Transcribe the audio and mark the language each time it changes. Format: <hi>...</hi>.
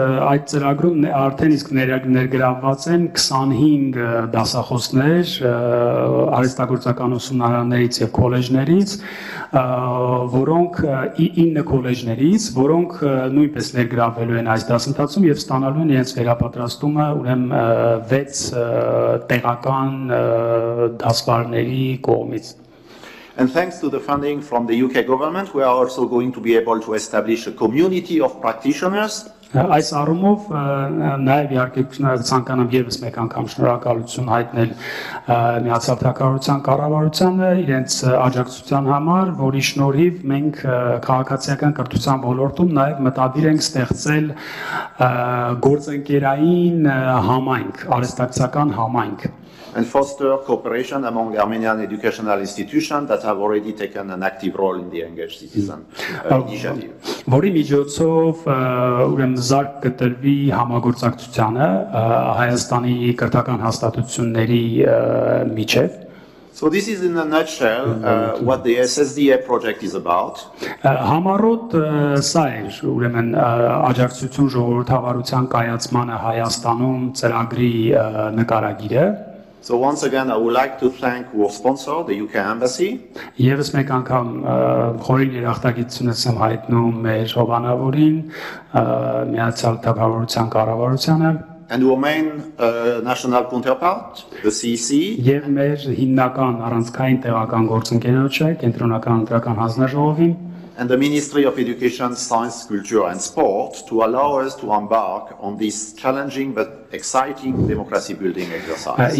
<hy>Այդ ծրագրում արդեն իսկ ներգրավված են 25 դասախոսներ արհեստագործական ուսումնարաններից եւ քոլեջներից, որոնք 9 քոլեջներից, որոնք նույնպես ներգրավվելու են այս դասընթացում եւ ստանալու են իրենց վերապատրաստումը, ուրեմն 6 տեղական դասվարների կողմից.</hy> <en>And thanks to the funding from the UK government, we are also going to be able to establish a community of practitioners.</en> <hy>Այս առումով նաև իհարկե ցանկանում եմ մեկ անգամ շնորհակալություն հայտնել Միացյալ Թագավորության կառավարությանը իրենց աջակցության համար, որի շնորհիվ մենք քաղաքացիական կրթության ոլորտում նաև մտադիր ենք ստեղծել գործընկերային համայնք, արհեստակցական համայնք.</hy> <en>And foster cooperation among Armenian educational institutions that have already taken an active role in the engaged citizen initiative.</en> <hy>Որի միջոցով ուրեմն զարգ կտրվի համագործակցությունը Հայաստանի կրթական հաստատությունների միջև.</hy> <en>So this is in a nutshell what the SSDA project is about.</en> <hy>Համառոտ սա է, ուրեմն աջակցություն ժողովրդավարության կայացմանը Հայաստանում ծրագրի նկարագիրը.</hy> <en>So once again I would like to thank our sponsor the UK embassy.</en> <hy>Եվս մեկ անգամ խորին երախտագիտությունս եմ հայտնում մեր հովանավորին Միացյալ Թագավորության կառավարությանը.</hy> <en>And our main national counterpart the CEC.</en> <hy>Եվ մեր հիմնական առանցքային տեղական գործընկերոջը կենտրոնական ընտրական հանձնաժողովին.</hy> <en>And the Ministry of Education, Science, Culture and Sport to allow us to embark on this challenging but exciting democracy building exercise.</en>